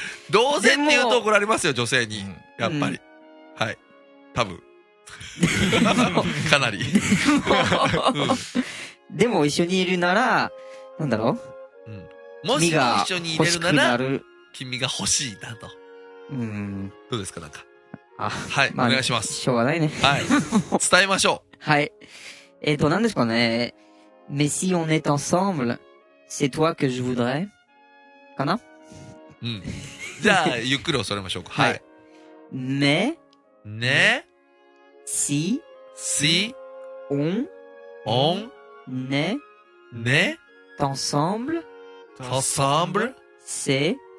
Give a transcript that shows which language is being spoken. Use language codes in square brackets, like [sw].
[ja] どうせって言うと怒られますよ女性に、やっぱり、うん、はい、多分かなりでも、うん、でも一緒にいるならなんだろう、うん、もし一緒にいれるなら君が欲しいなと、うん、どうですかなんか、あ、はい、まあ、お願いします。しょうがないね。はい、伝えましょう。はい、なんですかね。 [fr] Mais si on est ensemble, c'est toi que je voudrais. [ja] かな？じゃあ、ゆっくり恐れましょうか。はい。 [fr] Mais, [ja] ね、 [fr] si, si, on, on, ne, ne, t'ensemble, t'ensemble, c'est,